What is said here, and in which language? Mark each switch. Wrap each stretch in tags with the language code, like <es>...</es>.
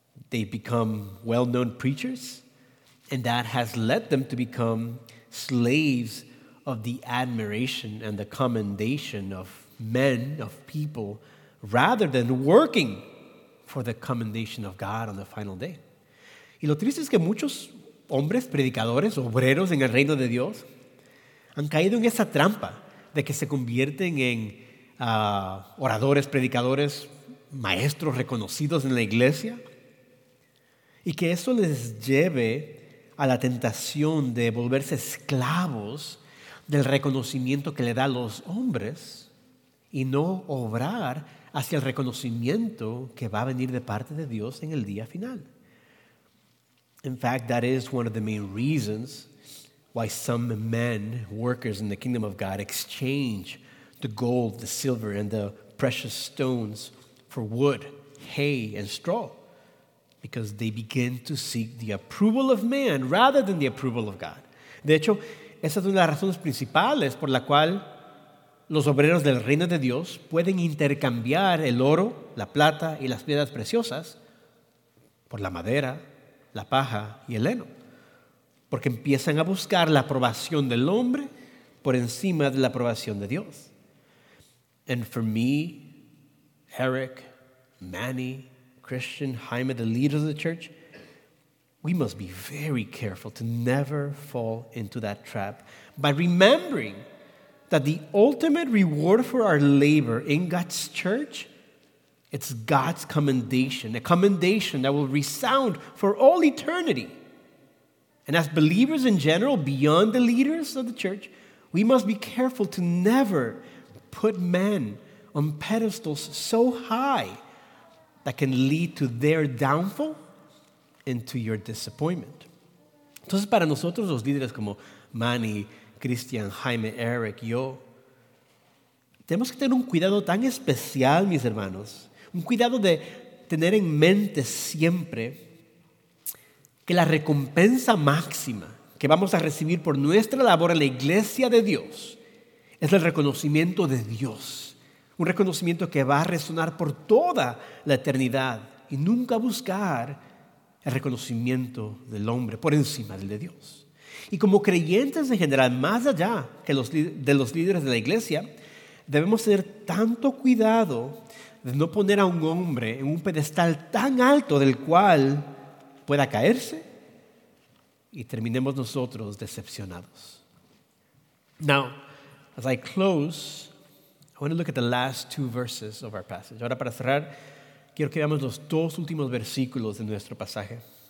<en>They become well-known preachers, and that has led them to become slaves of the admiration and the commendation of men, of people, rather than working for the commendation of God on the final day.</en> <es>Y lo triste es que muchos hombres, predicadores, obreros en el reino de Dios han caído en esa trampa de que se convierten en oradores, predicadores, maestros reconocidos en la iglesia y que eso les lleve a la tentación de volverse esclavos del reconocimiento que le da a los hombres y no obrar hacia el reconocimiento que va a venir de parte de Dios en el día final.</es> <en>In fact, that is one of the main reasons why some men, workers in the kingdom of God, exchange the gold, the silver, and the precious stones for wood, hay, and straw, because they begin to seek the approval of man rather than the approval of God.</en> <es>De hecho, esa es una de las razones principales por la cual los obreros del reino de Dios pueden intercambiar el oro, la plata y las piedras preciosas por la madera, la paja y el heno, porque empiezan a buscar la aprobación del hombre por encima de la aprobación de Dios.</es> <en>And for me, Eric, Manny, Christian, Jaime, the leaders of the church, we must be very careful to never fall into that trap by remembering that the ultimate reward for our labor in God's church, it's God's commendation, a commendation that will resound for all eternity. And as believers in general, beyond the leaders of the church, we must be careful to never put men on pedestals so high that can lead to their downfall and to your disappointment.</en> <es>Entonces, para nosotros, los líderes como Manny, Cristian, Jaime, Eric, yo, tenemos que tener un cuidado tan especial, mis hermanos, un cuidado de tener en mente siempre que la recompensa máxima que vamos a recibir por nuestra labor en la iglesia de Dios es el reconocimiento de Dios, un reconocimiento que va a resonar por toda la eternidad y nunca buscar el reconocimiento del hombre por encima del de Dios. Y como creyentes en general, más allá que los líderes de la iglesia, debemos tener tanto cuidado de no poner a un hombre en un pedestal tan alto del cual pueda caerse y terminemos nosotros decepcionados.</es> <en>Now, as I close, I want to look at the last two verses of our passage.</en> <es>Ahora, para cerrar, quiero que veamos los dos últimos versículos de nuestro pasaje.</es>